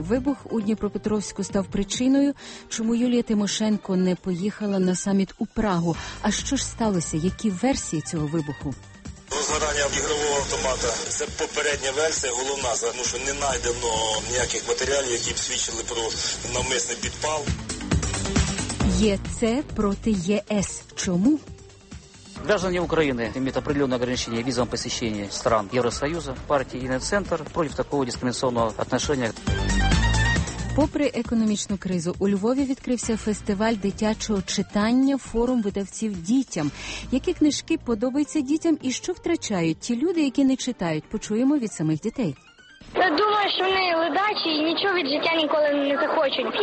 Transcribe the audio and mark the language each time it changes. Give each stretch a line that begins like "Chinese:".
Ukrainian: Вибух у Дніпропетровську став причиною, чому Юлія Тимошенко не поїхала на саміт у Прагу. А що ж сталося? Які версії цього вибуху? Розгорання ігрового автомата – це попередня версія, головна, тому що не знайдено ніяких матеріалів, які б свідчили про навмисний підпал. ЄЦ проти ЄС. Чому?
Russian: Граждане Украины имеют определенное ограничение в визовом посещении стран Евросоюза, партии Инецентр против такого дискриминационного отношения.
Ukrainian: Попри економічну кризу, у Львові відкрився фестиваль дитячого читання «Форум видавців дітям». Які книжки подобаються дітям і що втрачають ті люди, які не читають, почуємо від самих дітей. Я думаю, що вони ледачі і нічого від життя ніколи не захочуть.